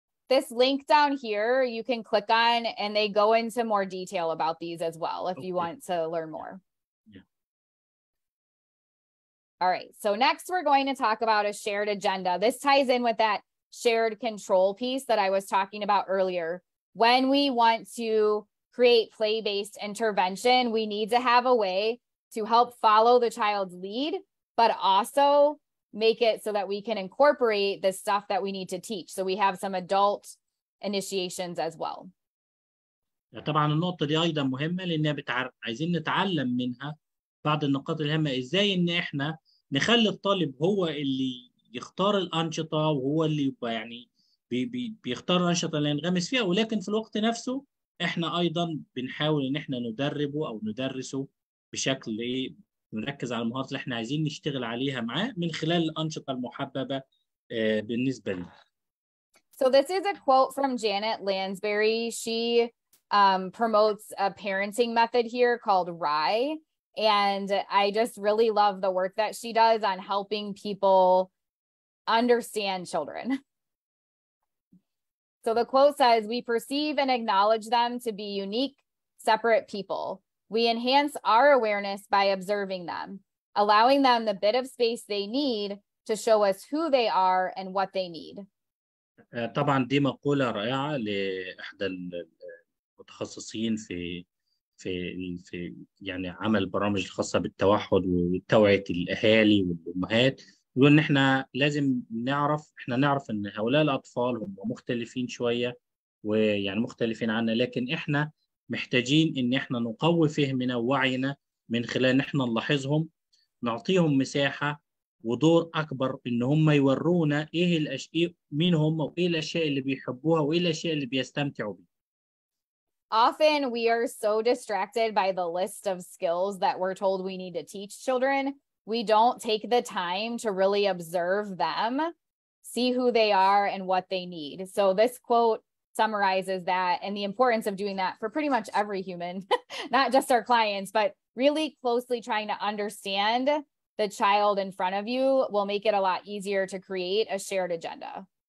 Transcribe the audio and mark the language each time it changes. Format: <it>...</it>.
<en>This link down here, you can click on, and they go into more detail about these as well if you want to learn more. Yeah. All right. So next, we're going to talk about a shared agenda. This ties in with that shared control piece that I was talking about earlier. When we want to create play-based intervention, we need to have a way to help follow the child's lead, but also make it so that we can incorporate the stuff that we need to teach. So we have some adult initiations as well.</en> <ar>طبعا النقطة دي أيضا مهمة، لأن عايزين نتعلم منها بعض النقاط الهامة، إزاي إن إحنا نخلي الطالب هو اللي يختار الأنشطة، وهو اللي يبقى يعني بيختار الأنشطة اللي ينغمس فيها، ولكن في الوقت نفسه إحنا أيضا بنحاول إن إحنا ندربه أو ندرسه بشكل نركز على المهارات اللي احنا عايزين نشتغل عليها معاه من خلال الانشطه المحببه بالنسبه لنا.</ar> <en>So this is a quote from Janet Lansbury. She promotes a parenting method here called RIE. And I just really love the work that she does on helping people understand children. So the quote says, "We perceive and acknowledge them to be unique, separate people. We enhance our awareness by observing them, allowing them the bit of space they need to show us who they are and what they need."</en> <ar>طبعا دي مقولة رائعة لإحدى المتخصصين في يعني عمل برامج خاصة بالتوحد وتوعية الأهالي والأمهات، وإن إحنا لازم نعرف، إحنا نعرف إن هؤلاء الأطفال هم مختلفين شوية ويعني مختلفين عنا، لكن إحنا محتاجين ان احنا نقوي فهمنا ووعينا من خلال ان احنا نلاحظهم، نعطيهم مساحه ودور اكبر ان هم يورونا ايه الاشياء، مين هم وايه الاشياء اللي بيحبوها وايه الاشياء اللي بيستمتعوا بيها.</ar> <en>often we are so distracted by the list of skills that we're told we need to teach children. We don't take the time to really observe them, see who they are and what they need. So this quote summarizes that and the importance of doing that for pretty much every human, not just our clients, but really closely trying to understand the child in front of you will make it a lot easier to create a shared agenda.</en>